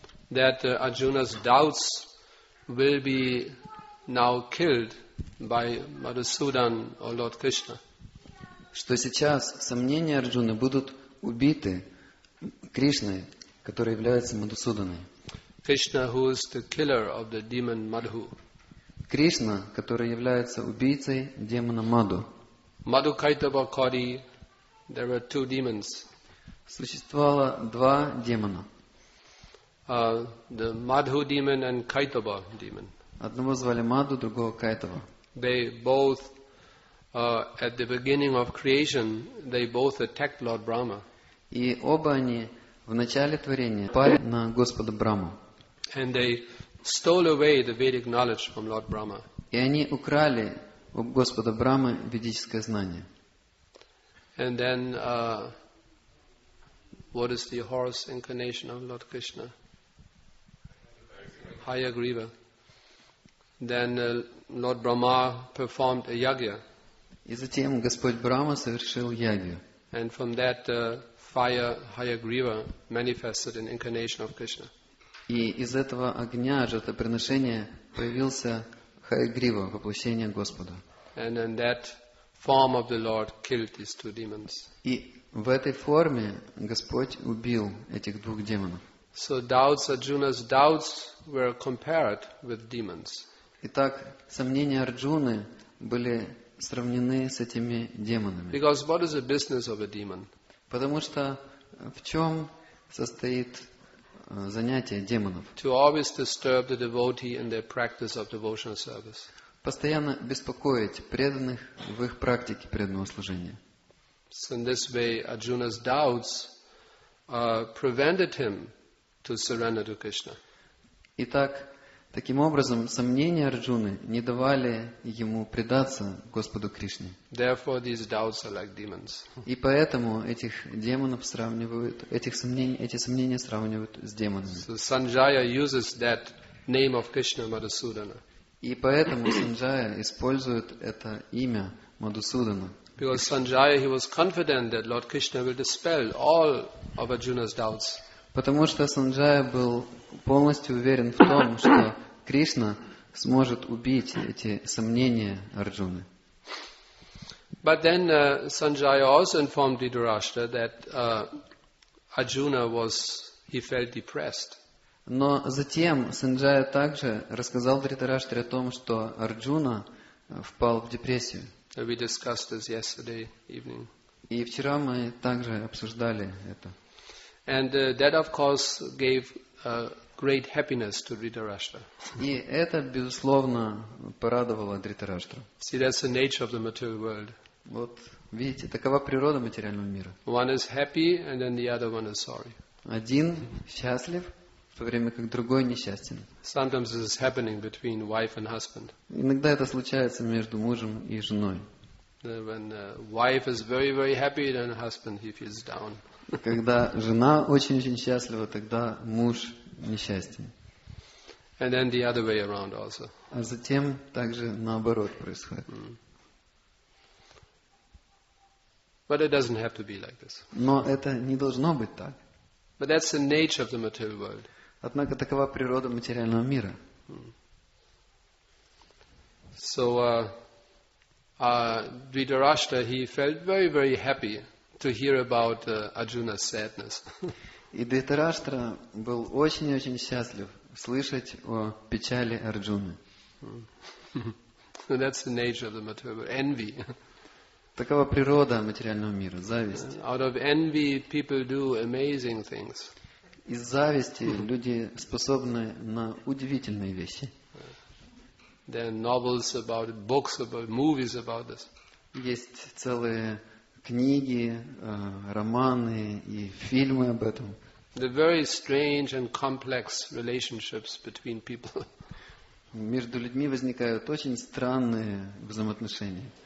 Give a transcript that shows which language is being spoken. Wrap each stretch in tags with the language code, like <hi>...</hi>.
<en>that Arjuna's doubts will be now killed by Madhusudan or Lord Krishna.</en> <ru>Что сейчас сомнения Арджуны будут убиты Кришной, который является Мадхусуданой.</ru> <en>Krishna, who is the killer of the demon Madhu.</en> <ru>Кришна, который является убийцей демона Маду.</ru> <en>Madhu Kaitava Kori, there were two demons.</en> <ru>Существовало два демона.</ru> <en>The Madhu demon and Kaitava demon.</en> <ru>Одного звали Маду, другого Кайтава.</ru> <en>They both, at the beginning of creation, they both attacked Lord Brahma.</en> <ru>И оба они в начале творения пали на Господа Брахму.</ru> <en>And they stole away the Vedic knowledge from Lord Brahma.</en> <ru>И они украли у Господа Брахмы ведическое знание.</ru> <en>And then, what is the horse incarnation of Lord Krishna? Hayagriva. Then Lord Brahma performed a yagya.</en> <ru>И затем Господь Брахма совершил ягью.</ru> <en>And from that fire Hayagriva manifested in incarnation of Krishna.</en> <ru>И из этого огня жертвоприношения появился Хайгрива, воплощение Господа.</ru> <en>And in that form of the Lord killed these two demons.</en> <ru>И в этой форме Господь убил этих двух демонов.</ru> <en>So doubts, Arjuna's doubts were compared with demons.</en> <ru>Итак, сомнения Арджуны были сравнены с этими демонами.</ru> <en>Because what is the business of a demon?</en> <ru>Потому что в чем состоит занятия демонов?</ru> <en>To always disturb the devotee in their practice of devotional service.</en> <ru>постоянно беспокоить преданных в их практике преданного служения.</ru> <en>So in this way, Arjuna's doubts prevented him to surrender to Krishna.</en> <ru>Итак, таким образом, сомнения Арджуны не давали ему предаться Господу Кришне.</ru> <en>Therefore, these doubts are like demons.</en> <ru>И поэтому этих демонов сравнивают, эти сомнения сравнивают с демонами.</ru> <en>So Sanjaya uses that name of Krishna, Madhusudana.</en> <ru>И поэтому Санджая использует это имя Мадхусудана.</ru> <en>Because Sanjaya, he was confident that Lord Krishna will dispel all of Arjuna's doubts.</en> <ru>Потому что Санджая был полностью уверен в том, что Кришна сможет убить эти сомнения Арджуны.</ru> <en>But then Sanjaya also informed Dhritarashtra that Arjuna was, he felt depressed.</en> <ru>Но затем Санджая также рассказал Дхритараштре о том, что Арджуна впал в депрессию.</ru> <en>We discussed this yesterday evening.</en> <ru>И вчера мы также обсуждали это.</ru> <en>And that, of course, gave great happiness to Dhritarashtra.</en> <ru>И это безусловно порадовало Дхритараштру.</ru> <en>See, that's the nature of the material world.</en> <ru>Вот видите, такова природа материального мира.</ru> <en>One is happy, and then the other one is sorry.</en> <ru>Один счастлив, в то время как другой несчастен.</ru> <en>Sometimes this is happening between wife and husband.</en> <ru>Иногда это случается между мужем и женой.</ru> <en>When the wife is very, very happy, then the husband, he feels down.</en> <ru>Когда жена очень-очень счастлива, тогда муж несчастен.</ru> <en>And then the other way around also.</en> <ru>А затем также наоборот происходит. Mm.</ru> <en>But it doesn't have to be like this.</en> <ru>Но это не должно быть так.</ru> <en>But that's the nature of the material world.</en> <ru>Однако такова природа материального мира.</ru> <en>So Dhritarashtra, he felt very, very happy to hear about Arjuna's sadness.</en> <ru>И Дхритарашта был очень-очень счастлив слышать о печали Арджуны.</ru> <en>That's the nature of the material world. Envy.</en> <ru>Такова природа материального мира, зависть.</ru> <en>Out of envy, people do amazing things.</en> <ru>Из зависти люди способны на удивительные вещи.</ru> <en>There are novels about it, books about it, movies about this.</en> <ru>Есть целые книги, романы и фильмы об этом.</ru> <en>The very strange and complex relationships between people.</en> <ru>Между людьми возникают очень странные взаимоотношения.</ru>